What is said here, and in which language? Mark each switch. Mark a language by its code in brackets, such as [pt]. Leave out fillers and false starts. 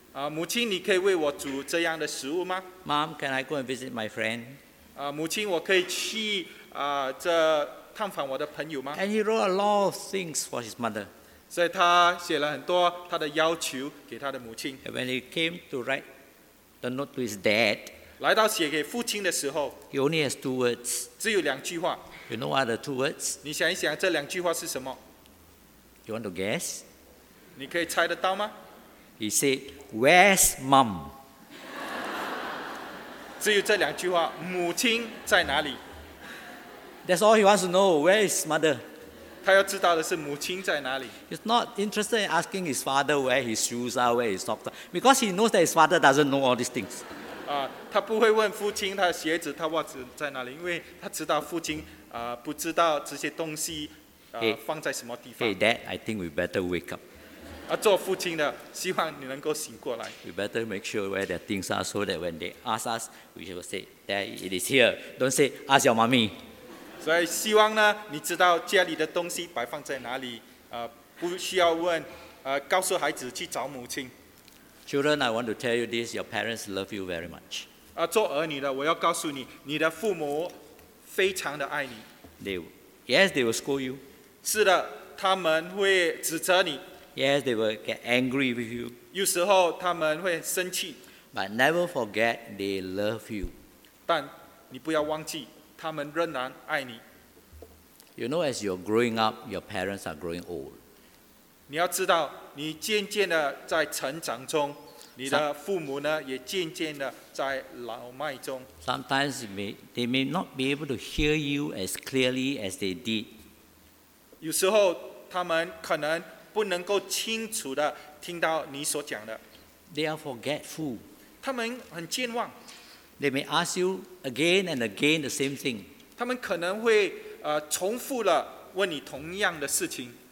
[zh] 母亲，你可以为我煮这样的食物吗？ [en] Mom, can I go and visit my friend? [zh] 母亲，我可以去这探访我的朋友吗？ [en] And he wrote a lot of things for his mother. [zh] 所以他写了很多他的要求给他的母亲。 [en] And when he came to write the note to his dad, [zh] 来到写给父亲的时候， [en] he only has two words. [zh] 只有两句话。 [en] You know what are the two words? [zh] 你想一想这两句话是什么？ [en] You want to guess? [zh] 你可以猜得到吗？ [en] He said, "Where's mom?" [zh] 只有这两句话，母亲在哪里？ [en] That's all he wants to know. Where is mother? [zh] 他要知道的是母亲在哪里。 [en] He's not interested in asking his father where his shoes are, where his socks are, because he knows that his father doesn't know all these things. [zh] 他不会问父亲他的鞋子、他袜子在哪里，因为他知道父亲不知道这些东西 [en] hey, [zh] 放在什么地方。 [en] Hey, Dad, I think we better wake up. [zh] 做父亲的，希望你能够醒过来。 [en] We better make sure where their things are, so that when they ask us, we should say, "Dad, it is here." Don't say, "Ask your mommy." [zh] 所以希望呢，你知道家里的东西摆放在哪里，不需要问，告诉孩子去找母亲。 [en] Children, I want to tell you this, your parents love you very much. [zh] 做儿女的，我要告诉你，你的父母非常的爱你。 [en] They will scold you. [zh] 是的，他们会指责你。 [en] Yes, they will get angry with you. [zh] 有时候他们会生气。 [en] But never forget, they love you. [zh] 但你不要忘记，他们仍然爱你。 [en] You know, as you're growing up, your parents are growing old. [zh] 你要知道，你渐渐的在成长中，你的父母呢也渐渐的在老迈中。 [en] Sometimes they may not be able to hear you as clearly as they did. [zh] 有时候他们可能不能够清楚的听到你所讲的。 [en] They are forgetful. [zh] 他们很健忘。 [en] They may ask you again and again the same thing. [zh] 他们可能会重复了问你同样的事情。